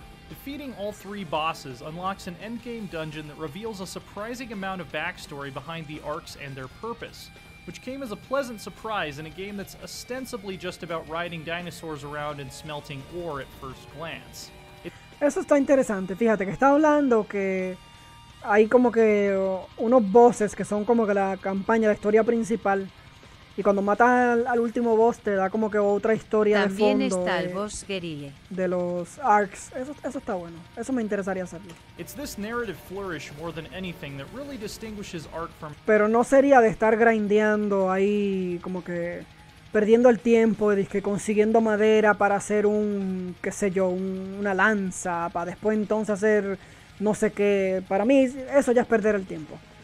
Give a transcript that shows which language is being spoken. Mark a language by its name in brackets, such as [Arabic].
[English] Defeating all three bosses unlocks an endgame dungeon that reveals a surprising amount of backstory behind the arcs and their purpose. Which came as a pleasant surprise in a game that's ostensibly just about riding dinosaurs around and smelting ore at first glance. [Spanish] Eso está interesante. Fíjate que está hablando que hay como que unos bosses que son como que la campaña, la historia principal. Y cuando matas al último boss te da como que otra historia también de fondo. También está el boss Guerille. De los arcs. Eso está bueno. Eso me interesaría hacerlo. [English] It's this narrative flourish more than anything that really distinguishes arc from... [Spanish] Pero no sería de estar grindeando ahí como que perdiendo el tiempo y disque consiguiendo madera para hacer un, qué sé yo, una lanza para después entonces hacer no sé qué. Para mí eso ya es perder el tiempo.